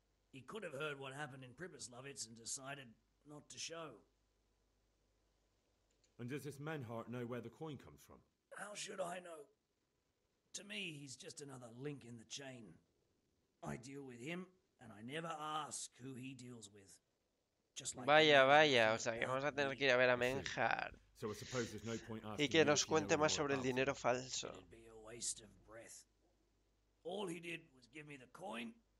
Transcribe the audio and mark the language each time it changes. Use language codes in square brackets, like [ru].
[en] He could have heard what happened in Pribislav and decided not to show. And does this Menhart know where the coin comes from? How should I know? To me, he's just another link in the chain. I deal with him, and I never ask who he deals with. Just like [es] vaya, vaya, o sea, que vamos a tener que ir a ver a Menhart. [en] So I suppose there's no point asking [es] y que nos cuente más sobre el dinero falso. [en] It'd be a waste of breath. All he did was give me the coin.